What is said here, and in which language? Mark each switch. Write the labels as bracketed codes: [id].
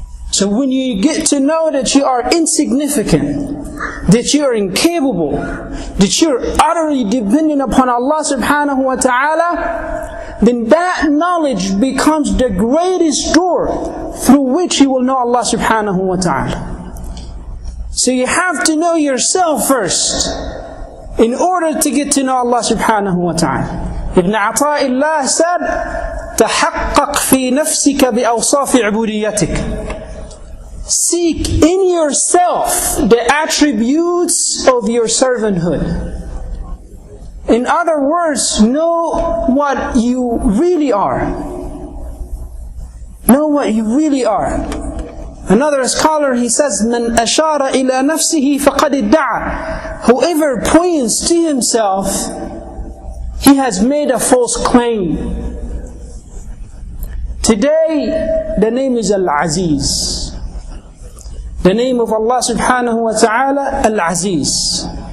[en] So when you get to know that you are insignificant, that you are incapable, that you are utterly dependent upon Allah subhanahu wa ta'ala, then that knowledge becomes the greatest door through which you will know Allah subhanahu wa ta'ala. So you have to know yourself first in order to get to know Allah subhanahu wa ta'ala. Ibn Ata'illah said, [ar] تحقق في نفسك بأوصاف عبوديتك. [en] Seek in yourself the attributes of your servanthood. In other words, know what you really are. Know what you really are. Another scholar, he says, [ar] مَنْ أَشَارَ إِلَىٰ نَفْسِهِ فَقَدِ الدَّعَى. [en] Whoever points to himself, he has made a false claim. Today, the name is Al-Aziz. The name of Allah subhanahu wa ta'ala, Al-Aziz.